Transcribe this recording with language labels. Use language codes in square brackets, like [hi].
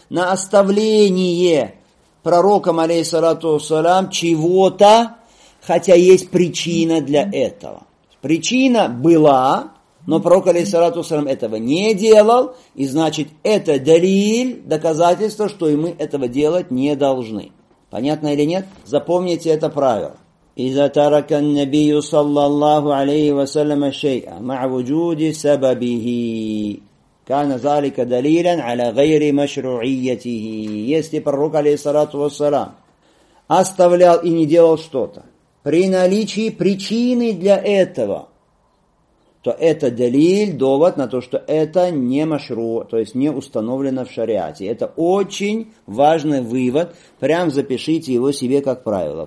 [ru] На оставление пророком, алейхиссалату вассалям, чего-то, хотя есть причина для этого. Причина была, но пророк, алейхиссалату вассалям, этого не делал, и значит, это далиль, доказательство, что и мы этого делать не должны. Понятно или нет? Запомните это правило. [ar] إذا ترك النبي صلى الله عليه وسلم شيئا مع وجود سببه كان ذلك دليلا على غير مشروعيته. [ru] Если пророк алейхиссалату вассалям оставлял и не делал что-то при наличии причины для этого, то это далиль, довод на то, что это не машру, то есть не установлено в шариате. Это очень важный вывод. Прям запишите его себе как правило.